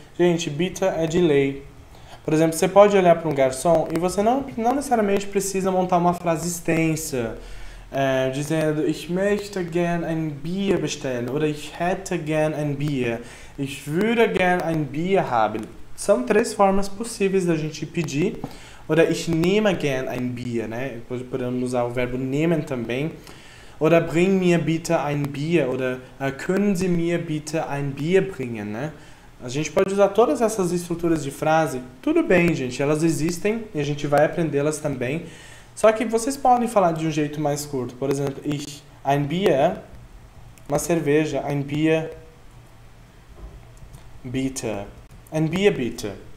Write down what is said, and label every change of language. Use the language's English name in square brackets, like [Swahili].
[Portuguese] Gente, bitte é de lei. Por exemplo, você pode olhar para um garçom e você não necessariamente precisa montar uma frase extensa, dizendo [German] Ich möchte gern ein Bier bestellen, oder Ich hätte gern ein Bier, Ich würde gern ein Bier haben. [Portuguese] São três formas possíveis da gente pedir. [German] Oder ich nehme gern ein Bier, né? [Portuguese] Podemos usar o verbo nehmen também. [German] Oder bring mir bitte ein Bier. Oder können Sie mir bitte ein Bier bringen, né? [Portuguese] A gente pode usar todas essas estruturas de frase. Tudo bem, gente, elas existem e a gente vai aprendê-las também. Só que vocês podem falar de um jeito mais curto. Por exemplo, [German] ich ein Bier, [Portuguese] uma cerveja. [German] Ein Bier, bitte. Ein Bier, bitte.